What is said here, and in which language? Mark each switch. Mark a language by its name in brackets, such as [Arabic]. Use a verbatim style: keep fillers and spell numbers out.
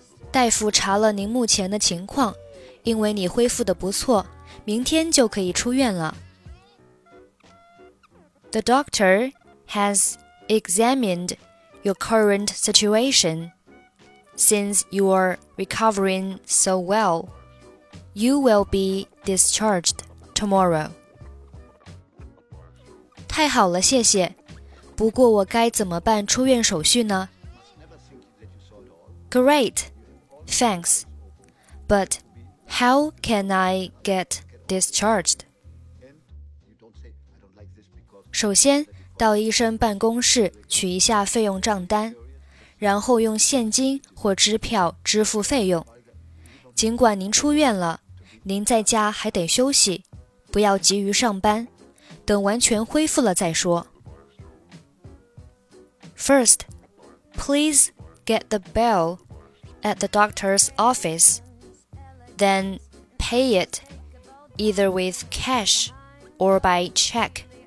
[Chinese] 大夫查了您目前的情况，因为你恢复得不错，明天就可以出院了。 [English] The doctor has examined your current situation since you are recovering so well. You will be discharged tomorrow. [Chinese] 太好了，谢谢。不过我该怎么办出院手续呢？ [English] Great, thanks. But how can I get discharged? [Chinese] 首先，到医生办公室取一下费用账单，然后用现金或支票支付费用。尽管您出院了您在家还得休息不要急于上班等完全恢复了再说 [English] First, please get the bill at the doctor's office Then pay it either with cash or by check